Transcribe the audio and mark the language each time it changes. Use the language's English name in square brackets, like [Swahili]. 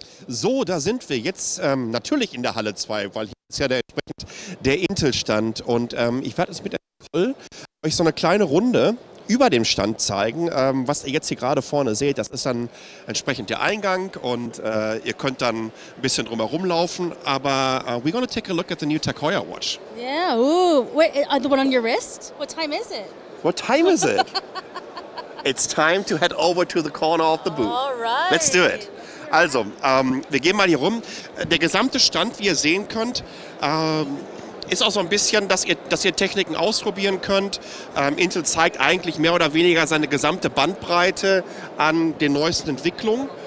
[German] So, da sind wir jetzt natürlich in der Halle 2, weil hier ist ja der, entsprechend der Intel-Stand. Und ich werde jetzt mit der Nicole euch so eine kleine Runde über dem Stand zeigen. Was ihr jetzt hier gerade vorne seht, das ist dann entsprechend der Eingang und ihr könnt dann ein bisschen drumherum laufen. [English] Aber we're going to take a look at the new Takoya watch. Yeah, ooh. Wait, the one on your wrist? What time is it? What time is it? It's time to head over to the corner of the booth. All right. Let's do it. [German] Also, wir gehen mal hier rum. Der gesamte Stand, wie ihr sehen könnt, ist auch so ein bisschen, dass ihr Techniken ausprobieren könnt. Intel zeigt eigentlich mehr oder weniger seine gesamte Bandbreite an den neuesten Entwicklungen.